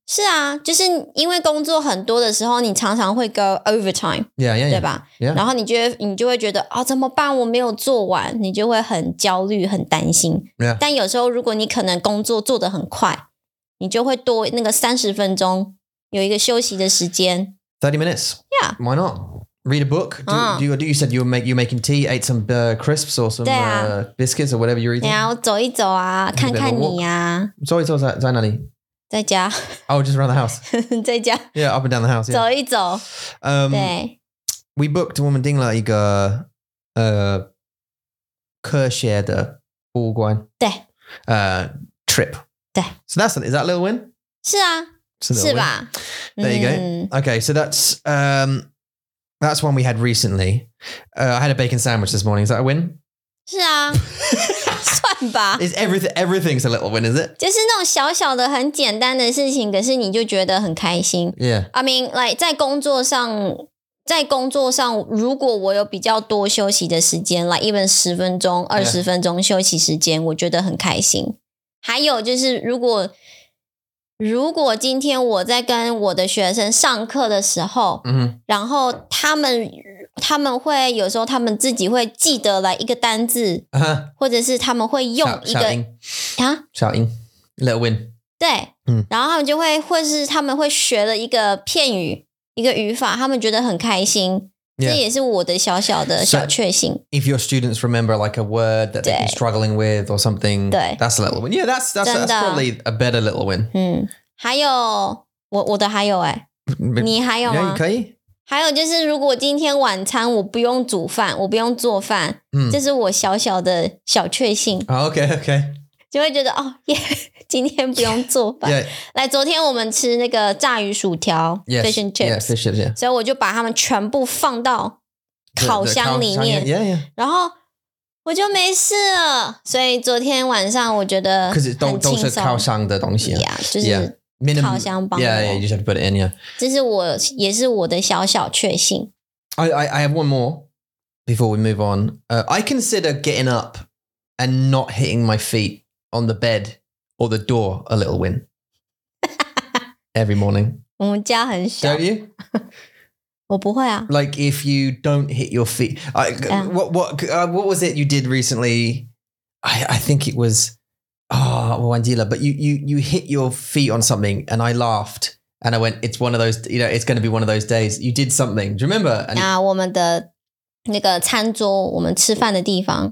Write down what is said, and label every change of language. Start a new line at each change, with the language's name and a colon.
Chinese: 是啊,就是因为工作很多的时候,你常常会
English: go overtime. Yeah, yeah, yeah.
Chinese: 对吧?
English: Yeah.
Chinese: 然后你就会觉得,哦,怎么办?我没有做完。你就会很焦虑,很担心。
English: Yeah.
Chinese: 但有时候如果你可能工作做得很快,你就会多那个30分钟,有一个休息的时间。
English: 30 minutes? Yeah. Why not? Read a book. You said you were making tea, ate some crisps or some、biscuits or whatever you're eating.
Chinese: Yeah, 我走一走啊，看看你啊。走一走在哪里？在家。
English: Oh, just around the house.
Chinese: 在家。
English: Yeah, up and down the house.、
Chinese: 走一走。
English: We booked
Chinese: 我们订了一个科学的博物馆。对。
English: Trip.
Chinese: 对。
English: So is that a little win?
Chinese: 是啊。是吧
English: ？There you go.、Okay, so that's That's one we had recently.、I had a bacon sandwich this morning. Is that a win?
Chinese: 是啊，算吧。
English: Is everything's a little win, is it?
Chinese: 就是那种小小的、很简单的事情，可是你就觉得很开心。
English: Yeah. I mean, like,
Chinese: 在工作上，如果我有比较多休息的时间 ，
English: like even
Chinese: 十分钟、二十分钟休息时间，我觉得很开心。还有就是，如果今天我在跟我的学生上课的时候、然后他们会有时候他们自己会记得来一个单字、或者是他们会用一个小音
English: little win
Chinese: 对、然后他们就会或是他们会学了一个片语一个语法他们觉得很开心、这也是我的小小的小确幸、
English: so、if your students remember like a word that they've been struggling with or something, that's a little win. Yeah, that's probably a better little win.
Chinese: 还有我的还有你还有吗 yeah, 可以还有就是如果今天晚餐我不用煮饭我不用做饭、这是我小小的小确幸、
English: okay.
Chinese: 就会觉得、今天不用做饭。
English: Yeah.
Chinese: 来，昨天我们吃那个炸鱼薯条
English: yes, ，fish and chips， yeah, fish chips、yeah.
Chinese: 所以我就把它们全部放到烤箱里面
English: yeah, yeah.
Chinese: 然后我就没事了。所以昨天晚上我觉得很轻松，可是都是烤箱的东西、就是烤箱帮我
English: yeah, you just have to put it in, yeah.
Chinese: 这是我也是我的小小确幸。
English: I have one more before we move on.、I consider getting up and not hitting my feet on the bed. Or the door, a little win. Every morning.
Chinese: 我们家很小。
English: Don't you?
Chinese: 我不会啊。
English: Like if you don't hit your feet. What was it you did recently? I think it was, Wandila, but you hit your feet on something and I laughed. And I went, it's one of those, you know, it's going to be one of those days. You did something. Do you remember?
Chinese: 那我们的那个餐桌,我们吃饭的地方。